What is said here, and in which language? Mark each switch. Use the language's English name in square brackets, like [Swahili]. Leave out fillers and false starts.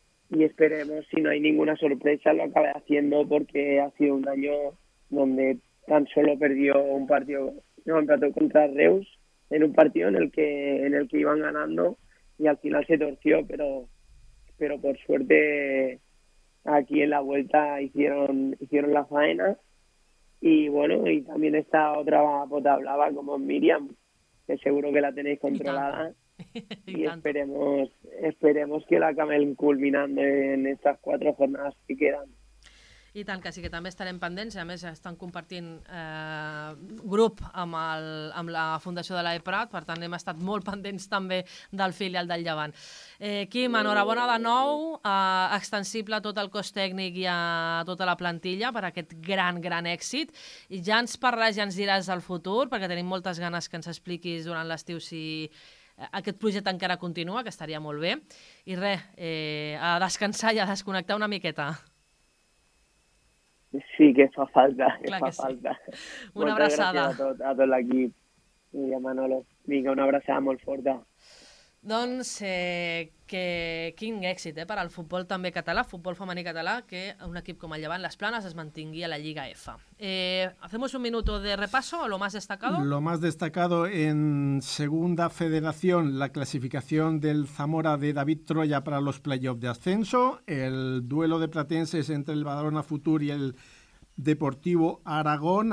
[Spanish] y esperemos, si no hay ninguna sorpresa, lo acabe haciendo, porque ha sido un año donde tan solo perdió un partido, no, empató contra Reus, en un partido en el que iban ganando y al final se torció, pero por suerte aquí en la vuelta hicieron la faena. Y bueno, y también está otra pota hablaba como Miriam, que seguro que la tenéis controlada. Y esperemos que la acaben culminando en estas cuatro jornadas que quedan. [Catalan] I tant, que sí, que també estarem pendents. A més, estan compartint grup amb la Fundació de l'AE Prat, per tant, hem estat molt pendents també del filial del Llevant. Quim, enhorabona de nou, extensible a tot el cos tècnic i a tota la plantilla per aquest gran, gran èxit. I ja ens parlaràs, ja ens diràs del futur, perquè tenim moltes ganes que ens expliquis durant l'estiu si aquest projecte encara continua, que estaria molt bé. I res, a descansar i a desconnectar una miqueta. Sí, que fa falta, que clar fa que sí. Falta. Una moltes abraçada. A tot l'equip i a Manolo. Vinga, una abraçada molt forta. Doncs, que quin èxit per al futbol també català, futbol femení català, que un equip com el Llevant Les Planes es mantingui a la Lliga F. [Spanish] ¿Hacemos un minuto de repaso o lo más destacado? Lo más destacado en segunda federación, la clasificación del Zamora de David Troya para los playoffs de ascenso, el duelo de platenses entre el Badalona Futur y el Deportivo Aragón.